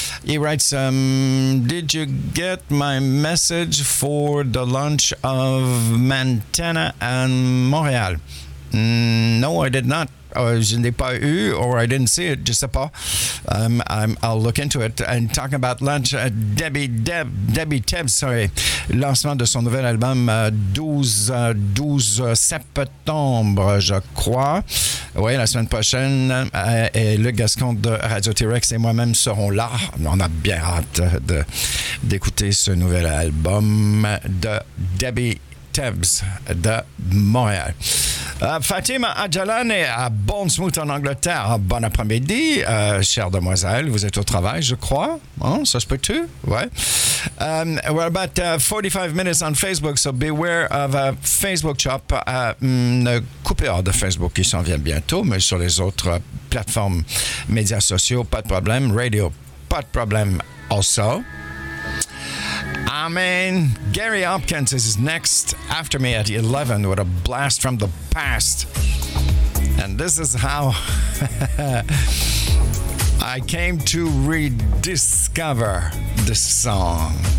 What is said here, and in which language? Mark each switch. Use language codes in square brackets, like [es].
[en] He writes, did you get my message for the launch of Montana and Montreal? No, I did not. [fr] Je n'ai pas eu, [en] or I didn't see it, [fr] je sais pas. [en] I'll look into it. And talking about lunch, [fr] Debbie Tebb, lancement de son nouvel album 12 septembre, je crois. Oui, la semaine prochaine, et Luc Gascon de Radio T-Rex et moi-même serons là. On a bien hâte d'écouter ce nouvel album de Debbie Tebbs de Montréal. Fatima Adjalane, à Bournemouth en Angleterre. Bon après-midi, chère demoiselle. Vous êtes au travail, je crois. Hein? Ça se peut-tu? Ouais. [en] We're about 45 minutes on Facebook, so beware of a Facebook chop. [fr] Une coupure de Facebook qui s'en vient bientôt, mais sur les autres plateformes, médias sociaux, pas de problème. Radio, pas de problème also. Amen. [en] Gary Hopkins is next after me at 11 with a blast from the past. And this is how I came to rediscover this song.